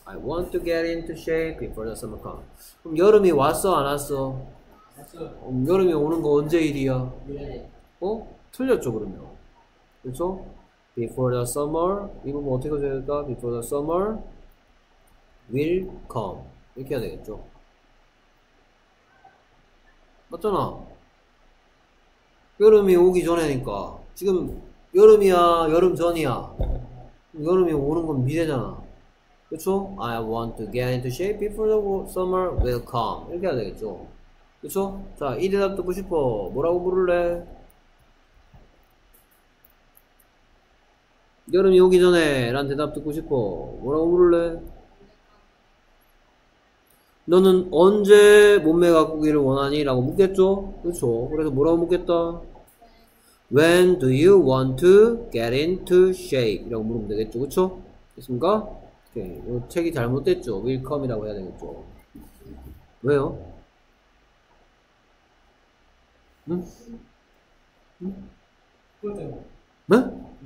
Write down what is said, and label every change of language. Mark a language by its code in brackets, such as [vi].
[en] I want to get into shape before the summer comes. [ko] 그럼 여름이 왔어, 안 왔어? 왔어. 여름이 오는 거 언제 일이야? 미래. 어? 틀렸죠, 그러면. 그쵸? [en] before the summer, [ko] 이거 뭐 어떻게 해야 될까? [en] before the summer will come. [ko] 이렇게 해야 되겠죠? 맞잖아. 여름이 오기 전이니까. 지금 여름이야, 여름 전이야. 여름이 오는 건 미래잖아. [en] 그쵸? I want to get into shape before the summer will come. [ko] 이렇게 해야 되겠죠. [en] 그쵸? [ko] 자, 이 대답 듣고 싶어. 뭐라고 부를래? 여름이 오기 전에 라는 대답 듣고 싶어. 뭐라고 부를래? 너는 언제 몸매 가꾸기를 원하니? 라고 묻겠죠? 그쵸? 그래서 뭐라고 묻겠다? [en] When do you want to get into shape? [ko] 이라고 물으면 되겠죠, 그쵸? 됐습니까? 오케이. 이 책이 잘못됐죠. will come 이라고 해야 되겠죠. 왜요? 응? 응? 응?